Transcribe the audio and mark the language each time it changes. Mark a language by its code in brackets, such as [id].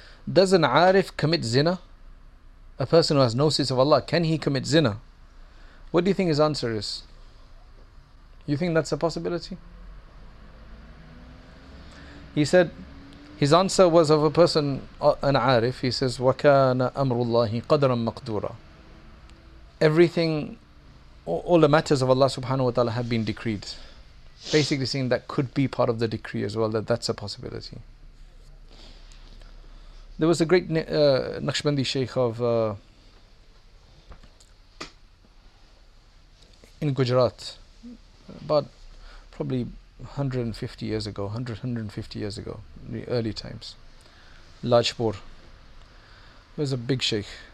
[en] Does an Arif commit zina? A person who has gnosis of Allah, can he commit zina? What do you think his answer is? You think that's a possibility? He said, his answer was of a person, an arif. He says, [ar] وَكَانَ أَمْرُ اللَّهِ قَدْرًا مَقْدُورًا. [en] Everything, all the matters of Allah subhanahu wa ta'ala have been decreed. Basically saying that could be part of the decree as well, that's a possibility. There was a great Naqshbandi sheikh of in Gujarat, about probably 150 years ago, in the early times, Lajpur. He was a big sheikh.